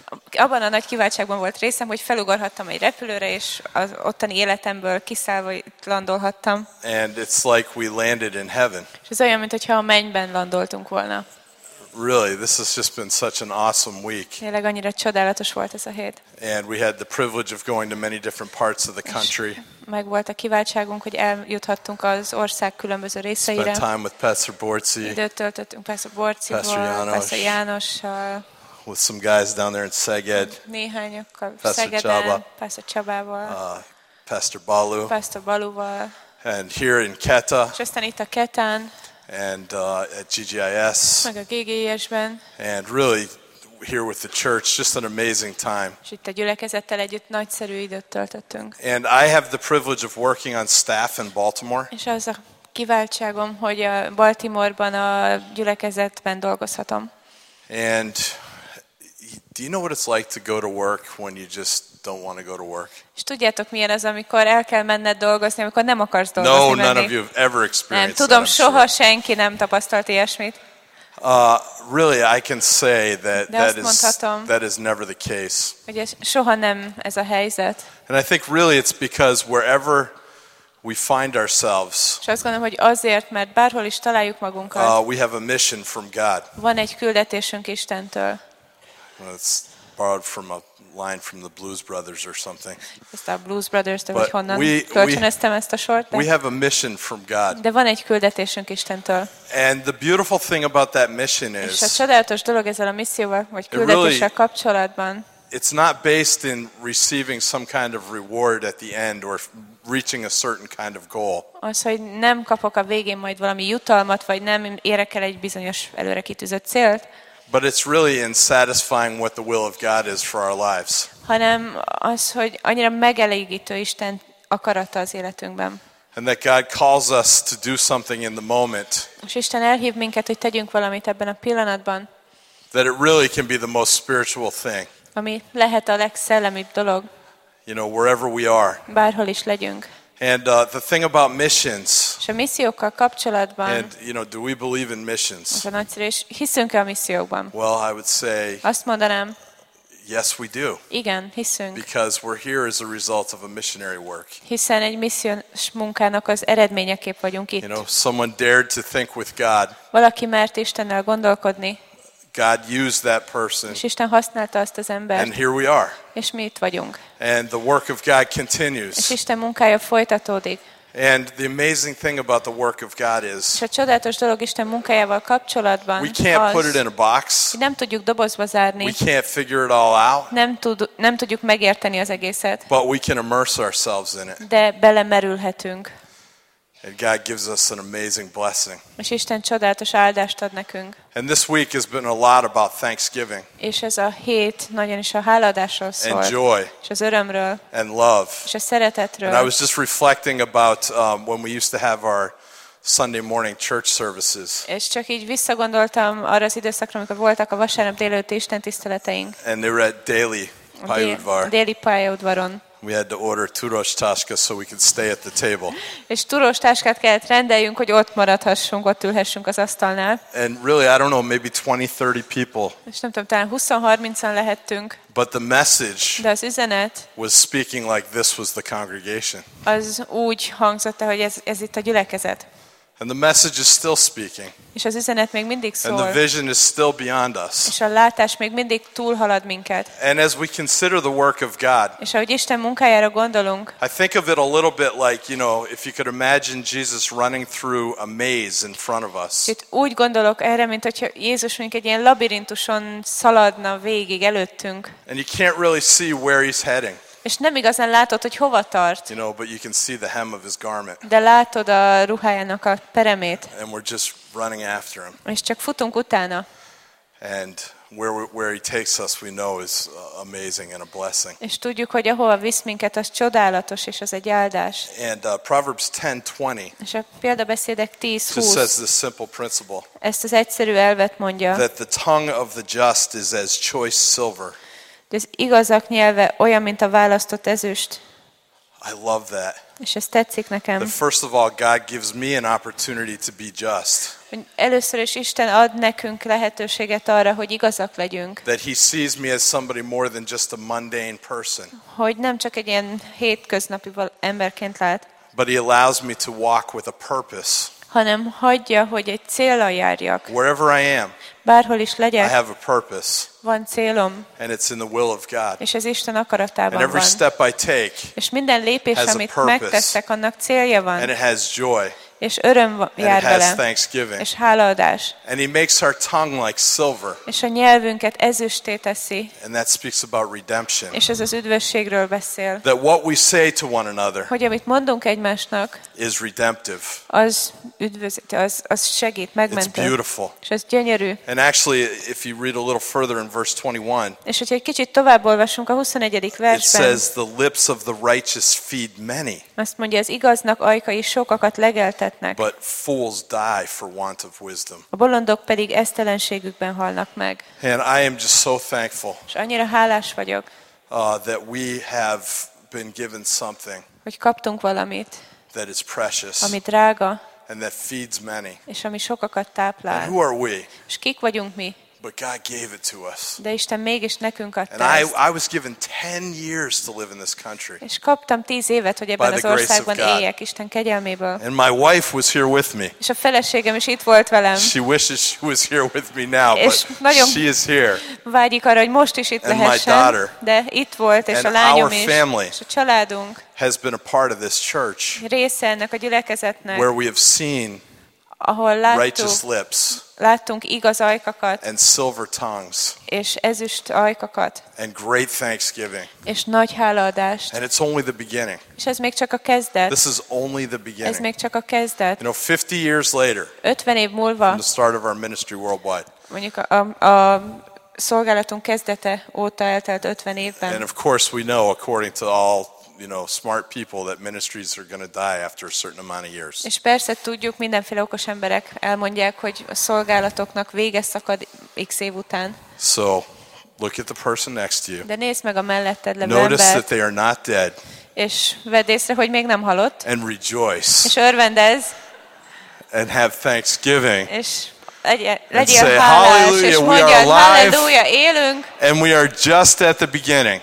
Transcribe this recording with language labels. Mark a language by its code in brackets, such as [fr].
[hu] Abban a nagy kiváltságban volt részem, hogy felugorhattam egy repülőre, és az ottani életemből kiszállva landolhattam. [en] And it's like we landed in heaven. [hu] És ez olyan, mintha a mennyben landoltunk volna. [en] Really, this has just been such an awesome week. [hu] Tényleg annyira csodálatos volt ez a hét. [en] And we had the privilege of going to many different parts of the country. [hu] Meg volt a kiváltságunk, hogy eljuthattunk az ország különböző részeire. [en] Spent time with Pastor Borci. [hu] Időt töltöttünk Pastor Borcival, Pastor Jánossal. [en] With some guys down there in Szeged. [hu] Néhányokkal Szegeden, Pastor Csabával. [en] Pastor Balu. [hu] Pastor Baluval. [en] And here in Keta. [hu] És aztán itt a Ketán. [en] And at GGIS. [hu] Meg a GGIS-ben. [en] And really here with the church, just an amazing time. [hu] És itt a gyülekezettel együtt nagyszerű időt töltöttünk. [en] And I have the privilege of working on staff in Baltimore. [hu] És az a kiváltságom, hogy a Baltimore-ban a gyülekezetben dolgozhatom. [en] And do you know what it's like to go to work when you just don't want to go to work? [hu] És tudjátok, milyen az, amikor el kell menned dolgozni, amikor nem akarsz dolgozni? [en] No, none of you have ever experienced. [hu] Nem tudom, [en] that, [hu] soha [en] sure. [hu] Senki nem tapasztalt ilyesmit. [en] Really, I can say that that is never the case. [hu] Ugye soha nem ez a helyzet. [en] And I think really it's because wherever we find ourselves. [hu] És azt gondolom, hogy azért, mert bárhol is találjuk magunkat. [en] We have a mission from God. [hu] Van egy küldetésünk Istentől. [en] Well, it's borrowed from a line from the Blues Brothers or something. [hu] Ezt a Blues Brothers, de hogy honnan kölcsönöztem ezt a sort. [en] We have a mission from God. [hu] De van egy küldetésünk Istentől. [en] And the beautiful thing about that mission is. [hu] És a csodálatos dolog ezzel a misszióval, vagy küldetéssel kapcsolatban. [en] It's not based in receiving some kind of reward at the end or reaching a certain kind of goal. [hu] Az, hogy nem kapok a végén majd valami jutalmat, vagy nem érek el egy bizonyos előre kitűzött célt. [en] But it's really in satisfying what the will of God is for our lives. [hu] Hanem az, hogy annyira megelégítő Isten akarata az életünkben. [en] And that God calls us to do something in the moment. [hu] És Isten elhív minket, hogy tegyünk valamit ebben a pillanatban. [en] That it really can be the most spiritual thing. [hu] Ami lehet a legszellemibb dolog. [en] You know, wherever we are. [hu] Bárhol is legyünk. [en] And the thing about missions. [hu] És a missziókkal kapcsolatban. [en] And you know, do we believe in missions? [hu] Az a nagyszerű, és hiszünk-e a missziókban? [en] Well, I would say. [hu] Azt mondanám. [en] Yes, we do. [hu] Igen, hiszünk. [en] Because we're here as a result of a missionary work. [hu] Hiszen egy missziós munkának az eredményeképp vagyunk itt. [en] You know, someone dared to think with God. [hu] Valaki mert Istennel gondolkodni. [en] God used that person. [hu] És Isten használta azt az embert. [en] And here we are. [hu] És mi itt vagyunk. [en] And the work of God continues. [hu] És Isten munkája folytatódik. [en] And the amazing thing about the work of God is. [hu] És a csodálatos dolog Isten munkájával kapcsolatban. [en] We can't [hu] az, [en] put it in a box. [hu] Nem tudjuk dobozba zárni. [en] We can't figure it all out. [hu] Nem tudjuk megérteni az egészet. [en] But we can immerse ourselves in it. [hu] De belemerülhetünk. [en] And God gives us an amazing blessing. [hu] És Isten csodálatos áldást ad nekünk. [en] And this week has been a lot about thanksgiving. [hu] És ez a hét nagyon is a hálaadásról szól. [en] And joy. [hu] És az örömről. [en] And love. [hu] És a szeretetről. [en] And I was just reflecting about when we used to have our Sunday morning church services. [hu] És csak így visszagondoltam arra az időszakra, amikor voltak a vasárnap délelőtti istentiszteleteink. [en] And they were at Déli Pályaudvar. [hu] Déli Pályaudvaron. [en] We had to order turos táska so we could stay at the table. [hu] És turos táskát kellett rendeljünk, hogy ott maradhassunk, ott ülhessünk az asztalnál. [en] And really, I don't know, maybe 20-30 people. [hu] És nem tudom, talán 20-30-an lehettünk. [en] But the message. [hu] De az üzenet. [en] Was speaking like this was the congregation. [hu] Az úgy hangzott, hogy ez itt a gyülekezet. [en] And the message is still speaking. [hu] És az üzenet még mindig szól. [en] And the vision is still beyond us. [hu] És a látás még mindig túlhalad minket. [en] And as we consider the work of God. [hu] És ahogy Isten munkájára gondolunk. [en] I think of it a little bit like, you know, if you could imagine Jesus running through a maze in front of us. [hu] Itt úgy gondolok erre, mint hogyha Jézus mondjuk egy ilyen labirintuson szaladna végig előttünk. [en] And you can't really see where he's heading. [hu] És nem igazán látod, hogy hova tart. [en] You know, but you can see the hem of his garment. [hu] De látod a ruhájának a peremét. [en] And we're just running after him. [hu] És csak futunk utána. [en] And where he takes us we know is amazing and a blessing. [hu] És tudjuk, hogy ahova visz minket, az csodálatos és az egy áldás. [en] And Proverbs 10:20. [hu] És a Példabeszédek 10:20. [en] Just says the simple principle. [hu] Ezt az egyszerű elvet mondja. [en] That the tongue of the just is as choice silver. [hu] De az igazak nyelve olyan, mint a választott ezüst. [en] I love that. [hu] És ez tetszik nekem. [en] The first of all, God gives me an opportunity to be just. [hu] Először is Isten ad nekünk lehetőséget arra, hogy igazak legyünk. [en] That he sees me as somebody more than just a mundane person. [hu] Hogy nem csak egy ilyen hétköznapi emberként lát. [en] But he allows me to walk with a purpose. [hu] Hanem hagyja, hogy egy céllal járjak. [en] Wherever I am. [hu] Bárhol is legyek. [en] I have a purpose. [hu] Van célom. [en] And it's in the will of God. [hu] És ez Isten akaratában van. [en] And every step I take. [hu] És minden lépés, amit megteszek, annak célja van. [en] And it has joy. [hu] És öröm jár vele. [en] And it has thanksgiving. [hu] És hálaadás. [en] And he makes our tongue like silver. [hu] És a nyelvünket ezüstté teszi. [en] And that speaks about redemption. [hu] És ez az üdvösségről beszél. [en] That what we say to one another. [hu] Hogy amit mondunk egymásnak. [en] Is redemptive. [hu] Az üdvözít, az segít, megmentő. [en] It's beautiful. [hu] És ez gyönyörű. [en] And actually, if you read a little further in verse 21. [hu] És hogyha egy kicsit továbbolvasunk a 21. versben. [en] It says the lips of the righteous feed many. [hu] Azt mondja, az igaznak ajkai sokakat legelt. [en] But fools die for want of wisdom. [hu] A bolondok pedig esztelenségükben halnak meg. [en] And I am just so thankful. [hu] És annyira hálás vagyok. [en] That we have been given something. [hu] Hogy kaptunk valamit. [en] That is precious. [hu] Ami drága. [en] And that feeds many. [hu] És ami sokakat táplál. [en] And who are we? [hu] És kik vagyunk mi? [en] But God gave it to us. [hu] De Isten mégis nekünk adta. [en] And I was given 10 years to live in this country. [hu] És kaptam 10 évet, hogy ebben az országban éljek Isten kegyelméből. [en] And my wife was here with me. [hu] És a feleségem is itt volt velem. [en] She wishes she was here with me now, but she is here. [hu] Vágyik arra, hogy most is itt lehessen. De itt volt, és a lányom is. És a családunk. [en] Has been a part of this church. [hu] Része ennek a gyülekezetnek. [en] Where we have seen. [hu] Ahol láttuk. [en] Righteous lips. [hu] Láttunk igaz ajkakat, [en] and silver tongues, [hu] és ezüst ajkakat, [en] and great thanksgiving, [hu] és nagy hálaadást. [en] And it's only the beginning. [hu] És ez még csak a kezdet. [en] This is only the beginning. [hu] Ez még csak a kezdet. [en] You know, 50 years later, [hu] 50 év múlva, [en] from the start of our ministry worldwide, [hu] mondjuk a szolgálatunk kezdete óta eltelt 50 évben. [en] And of course, we know, according to all, you know, smart people, that ministries are going to die after a certain amount of years. [hu] És persze tudjuk, mindenféle okos emberek elmondják, hogy a szolgálatoknak vége szakad X év után. [en] So, look at the person next to you. [hu] De nézd meg a melletted levő embert. [en] Notice that they are not dead. [hu] És vedd észre, hogy még nem halott. [en] And rejoice. [hu] És örvendez. [en] And have thanksgiving. [hu] És legyél hálás, és mondjad, élünk. [en] And we are just at the beginning.